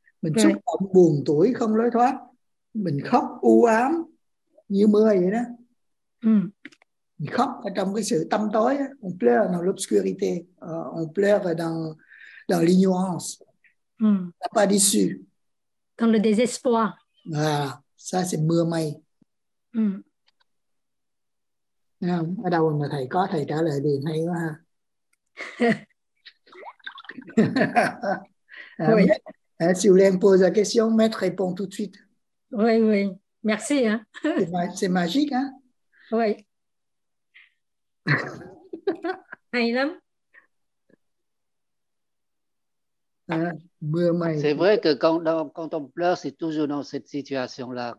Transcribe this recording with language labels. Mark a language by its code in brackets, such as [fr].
[vi] Mình xúc động buồn tuổi không lối thoát. Mình khóc u ám như mưa vậy đó. Mình khóc ở trong cái sự tâm tối. [fr] On pleure dans l'obscurité. On pleure dans l'ignorance. Pas d'issue. Dans le désespoir. Voilà, ça c'est [vi] mưa mây. Ở đâu mà thầy có, thầy trả lời liền hay quá ha. [fr] Oui. Si vous voulez me poser la question, maître répond tout de suite. Oui, oui. Merci. Hein. C'est magique, hein? Oui. Aïlam? C'est vrai que quand on pleure, c'est toujours dans cette situation-là.